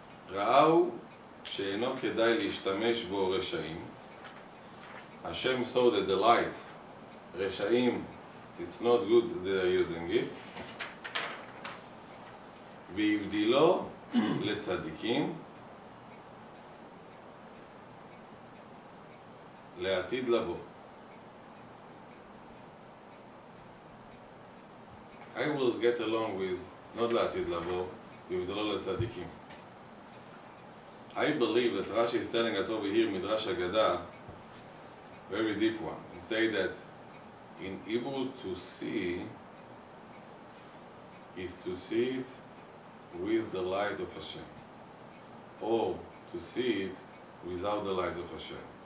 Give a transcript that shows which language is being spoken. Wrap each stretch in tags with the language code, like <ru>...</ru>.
<he>ראו שאינו כדאי להשתמש בו רשעים.</he> <en>השם saw that the light, רשעים, it's not good that they're using it.</en> <he>והבדילו לצדיקים, לעתיד לבוא.</he> <en>I will get along with I believe that Rashi is telling us over here, Midrash Agada, very deep one. He say that in Hebrew to see is to see it with the light of Hashem, or to see it without the light of Hashem.</en>